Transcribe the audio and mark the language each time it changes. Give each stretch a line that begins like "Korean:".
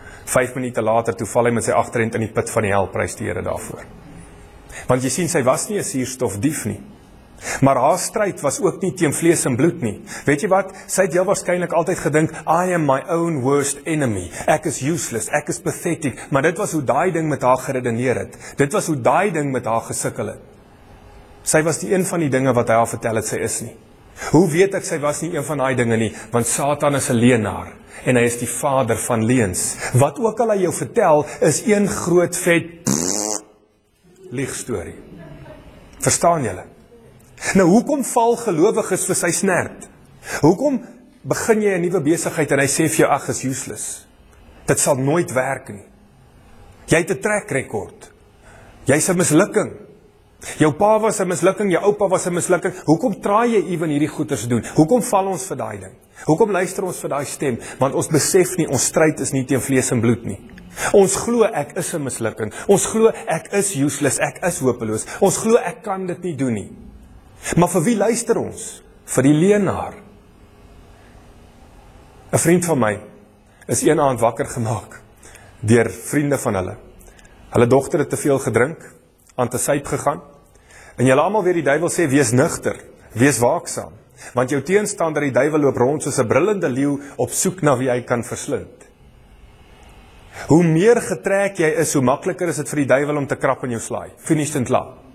Afrikaans: 5 minute later, toe val hy met sy agterend in die put van die hel, prys die Here daarvoor. Want jy sien, sy was nie 'n suurstofdief nie. Maar haar stryd was ook nie teen vlees en bloed nie. Weet jy wat, sy het heel waarskynlik altyd gedink,
English: I am my own worst enemy.
Afrikaans: Ek is useless, ek is pathetic. Maar dit was hoe daai ding met haar geredeneer het. Dit was hoe daai ding met haar gesukkel het. Sy was die een van die dinge wat hy haar vertel het sy is nie. Hoe weet ek sy was nie een van daai dinge nie, want Satan is 'n leenaar en hy is die vader van leuns. Wat ook al hy jou vertel, is een groot vet liegstorie. Verstaan julle? Nou hoekom val gelowiges vir sy snert? Hoekom begin jy 'n nuwe besigheid en hy sê vir jou, ag, is useless. Dit sal nooit werk nie. Jy het 'n trek rekord. Jy's 'n mislukking. Jou pa was 'n mislukking, jou oupa was 'n mislukking. Hoekom traai jy ewen hierdie goeters doen? Hoekom val ons vir daai ding? Hoekom luister ons vir daai stem? Want ons besef nie, ons stryd is nie teen vlees en bloed nie. Ons glo ek is 'n mislukking. Ons glo ek is useless, ek is hopeloos. Ons glo ek kan dit nie doen nie. Maar vir wie luister ons? Vir die leenaar. 'N vriend van my is een aand wakker gemaak deur vriende van hulle. Hulle dogter het te veel gedrink, aan te syp gegaan. En julle almal weet die duiwel sê, wees nugter, wees waaksaam. Want jou teenstander, die duiwel, loop rond soos 'n brullende leeu op soek na wie hy kan verslind. Hoe meer getrek jy is, hoe makliker is dit vir die duiwel om te krap in jou slaai.
English: Finished and
Afrikaans: klaar.